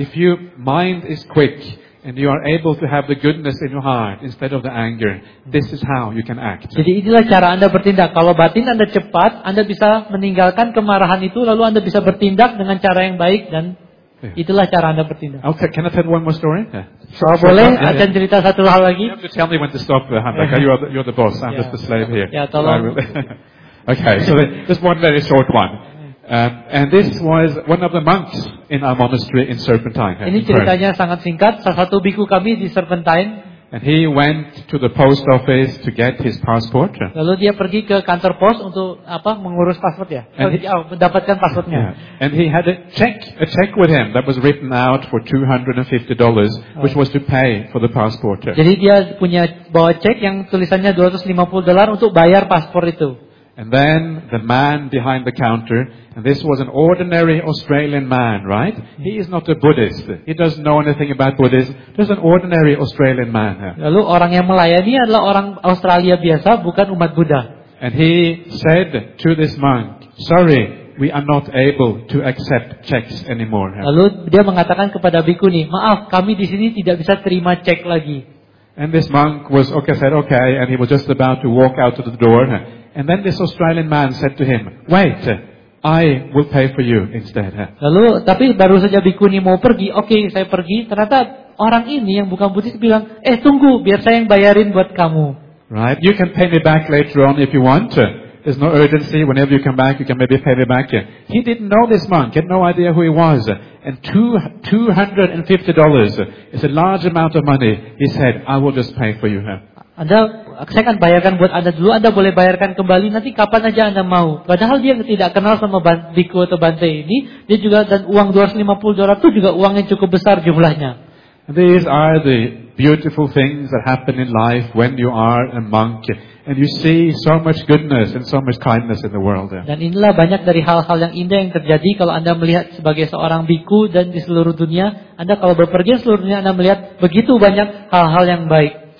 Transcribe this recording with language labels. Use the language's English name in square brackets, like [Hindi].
[English] If your mind is quick and you are able to have the goodness in your heart instead of the anger, this is how you can act. [Indonesian] Jadi itulah cara Anda bertindak. Kalau batin Anda cepat, Anda bisa meninggalkan kemarahan itu, lalu Anda bisa bertindak dengan cara yang baik, dan itulah cara Anda bertindak. [English] Okay, can I tell one more story? [Indonesian] Sure, boleh. Yeah. Akan cerita satu hal lagi. [English] You have to tell me when to stop, Hamdaka. You're the boss. I'm just the slave here. [Indonesian] Yeah, tolong. [English] Okay, so this one very short one. And this was one of the monks in our monastery in Serpentine. [Indonesian] Ini ceritanya sangat singkat. Salah satu biku kami di Serpentine. [English] And he went to the post office to get his passport. [Indonesian] Lalu dia pergi ke kantor pos untuk mengurus pasport ya. Mendapatkan pasportnya. [English] Yeah. And he had a check with him that was written out for $250, which was to pay for the passport. [Indonesian] Jadi dia punya bawa cek yang tulisannya $250 untuk bayar paspor itu. [English] And then the man behind the counter, and this was an ordinary Australian man, right? He is not a Buddhist. He doesn't know anything about Buddhism. Just an ordinary Australian man. [Indonesian] Lalu orang yang melayani adalah orang Australia biasa, bukan umat Buddha. [English] And he said to this monk, "Sorry, we are not able to accept checks anymore." [Indonesian] Lalu dia mengatakan kepada biku ini, "Maaf, kami di sini tidak bisa terima cek lagi." [English] And this monk was okay, said okay, and he was just about to walk out of the door. And then this Australian man said to him, "Wait, I will pay for you instead." [Indonesian] Lalu, tapi baru saja biku ini mau pergi, okay, saya pergi. Ternyata orang ini yang bukan Buddhis bilang, tunggu, biar saya yang bayarin buat kamu. [English] Right, you can pay me back later on if you want. There's no urgency. Whenever you come back, you can maybe pay me back. He didn't know this monk, had no idea who he was. And $250 is a large amount of money. He said, "I will just pay for you." [Indonesian] Saya akan bayarkan buat Anda dulu, Anda boleh bayarkan kembali nanti kapan aja Anda mau. Padahal dia tidak kenal sama biku atau bante ini, dia juga, dan uang $250 itu juga uang yang cukup besar jumlahnya. [English] These are the beautiful things that happen in life when you are a monk and you see so much goodness and so much kindness in the world. [Indonesian] Dan inilah banyak dari hal-hal yang indah yang terjadi kalau Anda melihat sebagai seorang biku, dan di seluruh dunia Anda kalau berpergian seluruh dunia, Anda melihat begitu banyak hal-hal yang baik.